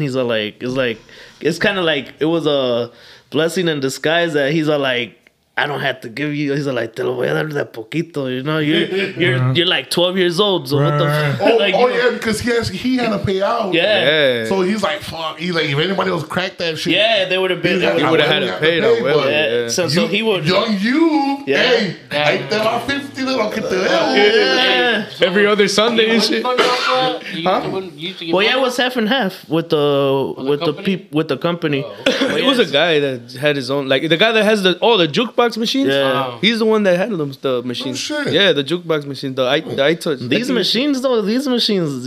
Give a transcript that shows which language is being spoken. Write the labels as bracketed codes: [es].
[en] He's like, it was a blessing in disguise that he's all like, I don't have to give you. He's all like, [es] te lo voy a dar de poquito. [en] You know, you're uh-huh. You're like 12 years old. So what the fuck? Because he had to pay out. Yeah. So he's like, fuck. He's like, if anybody else cracked that shit. Yeah, they would have been. He would have had to pay. So he would. Young you. Yeah. [es] Hey, ahí te va 50, little que te dejo. [en] Yeah. Every other Sunday and shit. Well, yeah, it was half and half with the company. It was a guy that had his own, like, the guy that has the jukebox machines? Yeah. Wow. He's the one that had the machines. Oh, shit. Yeah, the jukebox machines. These machines,